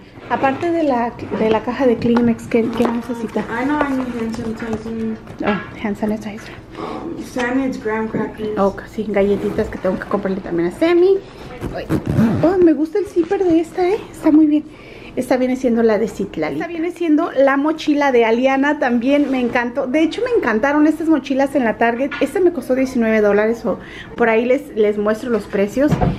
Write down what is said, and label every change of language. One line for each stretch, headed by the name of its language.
Spanish: Aparte de la caja de Kleenex, ¿qué necesita?
English: I know I need hand sanitizer. Oh, hand sanitizer. Sam needs graham crackers.
Spanish: Oh, sí, galletitas que tengo que comprarle también a Sammy. Oh, me gusta el zipper de esta, está muy bien. Esta viene siendo la de Citlali. Esta viene siendo la mochila de Aliana también, me encantó. De hecho, me encantaron estas mochilas en la Target. Esta me costó $19 o por ahí les muestro los precios.